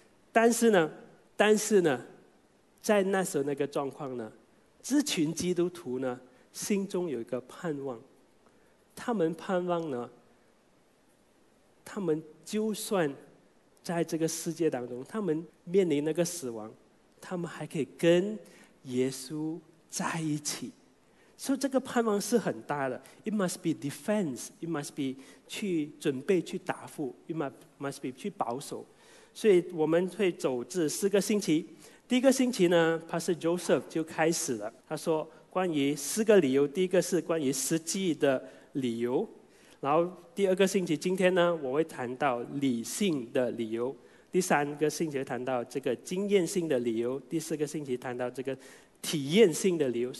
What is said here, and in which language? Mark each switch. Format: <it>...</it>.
<zh>但是呢在那时候那个状况呢，这群基督徒呢心中有一个盼望，他们盼望呢他们就算在这个世界当中他们面临那个死亡，他们还可以跟耶稣在一起。所以这个盼望是很大的。</zh> <en>It must be defense, it must be</en> <zh>去准备去答复，</zh> <en>it must be</en> <zh>去保守。所以我们会走至四个星期。第一个星期呢 Pastor Joseph 就开始了，他说关于四个理由。第一个是关于实际的理由，然后第二个星期今天呢我会谈到理性的理由，第三个星期谈到这个经验性的理由，第四个星期谈到这个体验性的理由。</zh>